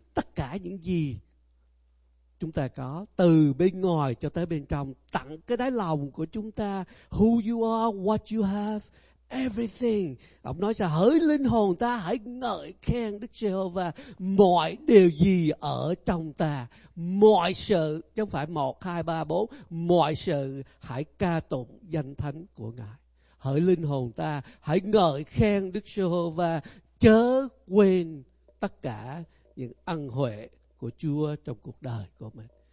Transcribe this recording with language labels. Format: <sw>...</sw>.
<vi>Tất cả những gì chúng ta có, từ bên ngoài cho tới bên trong, tặng cái đáy lòng của chúng ta.</vi> <en>Who you are, what you have, everything.</en> <vi>Ông nói sao? Hỡi linh hồn ta, hãy ngợi khen Đức Giê-hô-va. Mọi điều gì ở trong ta, mọi sự, chứ phải 1, 2, 3, 4, mọi sự hãy ca tụng danh thánh của Ngài. Hỡi linh hồn ta, hãy ngợi khen Đức Giê-hô-va, chớ quên tất cả những ân huệ của Chúa trong cuộc đời của mình.</vi>